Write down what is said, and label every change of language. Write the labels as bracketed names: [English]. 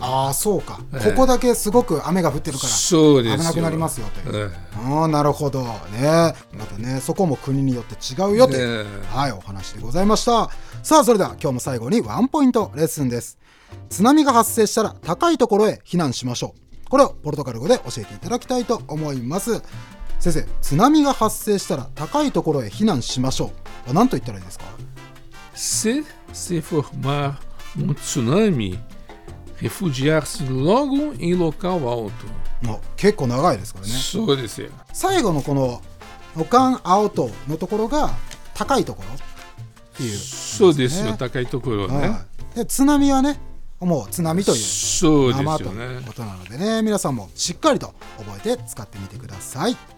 [Japanese] あ、そうか、ここだけすごく雨が降ってるから危なくなりますよという、あ、なるほど ね、 またね、そこも国によって違うよという、はい、お話でございました。さあ、それでは今日も最後にワンポイントレッスンです。津波が発生したら高いところへ避難しましょう。これをポルトガル語で教えていただきたいと思います。先生、津波が発生したら高いところへ避難しましょう、何と言ったらいいですか。 [Portuguese] セフォーマーUm tsunami, refugiar-se logo em local alto. [Japanese] 結構長いですからね。そうですよ。最後のこの [Portuguese] local alto [Japanese] のところが高いところっていう、ね。そうですよ、高いところね。で、津波はね、もう津波という名前ということなのでね、皆さんもしっかりと覚えて使ってみてください。